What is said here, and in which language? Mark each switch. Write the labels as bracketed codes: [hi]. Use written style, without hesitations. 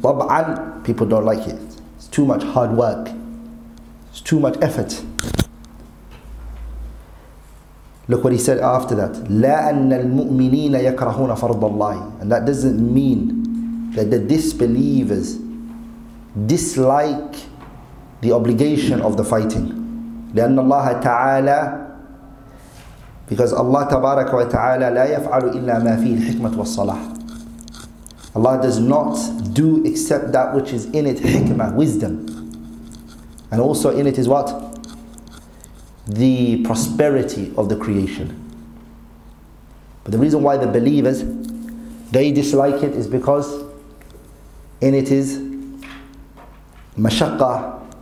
[ar] طبعاً, [en] people don't like it. It's too much hard work. It's too much effort. Look what he said after that. [ar] لَا أَنَّ الْمُؤْمِنِينَ يَكْرَهُونَ فَرْضَ اللَّهِ. [en] And that doesn't mean that the disbelievers dislike the obligation of the fighting. [ar] لأن الله تعالى, [en] because [ar] Allah تبارك وتعالى لا يفعل إلا ما فيه الحكمة والصلاح. [en] Allah does not do except that which is in it hikmah, wisdom. And also in it is what? The prosperity of the creation. But the reason why the believers, they dislike it is because in it is mashaqqah.